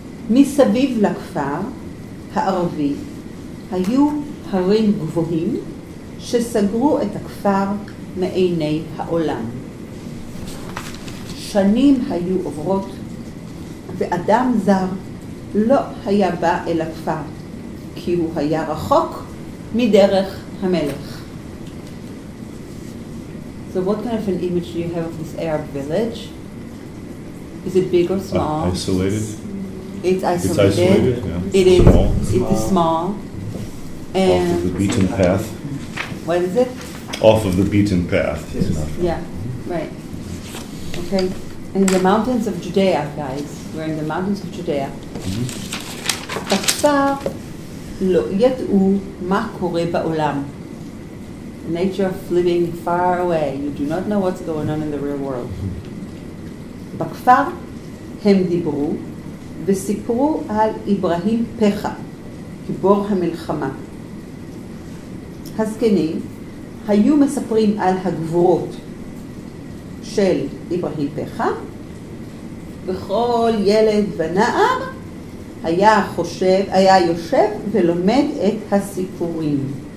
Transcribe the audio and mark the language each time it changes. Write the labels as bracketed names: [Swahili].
[Hebrew] מסביב לכפר הערבי היו הרים גבוהים שסגרו את הכפר מעיני העולם. שנים היו עוברות ואדם זר לא היה בא אל הכפר כי הוא היה רחוק מדרך המלך. [English] So what kind of an image do you have of this Arab village? Is it big or small? Isolated. It's isolated. It's isolated, yeah. It is small. It is small. And off of the beaten path. What is it? Off of the beaten path. Yeah, right. Okay. And in the mountains of Judea, guys. We're in the mountains of Judea. Mm-hmm. [Hebrew] לא ידעו מה קורה בעולם. [English] The nature of living far away. You do not know what's going on in the real world. [Hebrew] בכפר הם דיברו וסיפרו על אברהים פחה, גיבור המלחמה. הזקנים היו מספרים על הגבורות של אברהים פחה, וכל ילד ונער היה חושב, היה יושב ולומד את הסיפורים.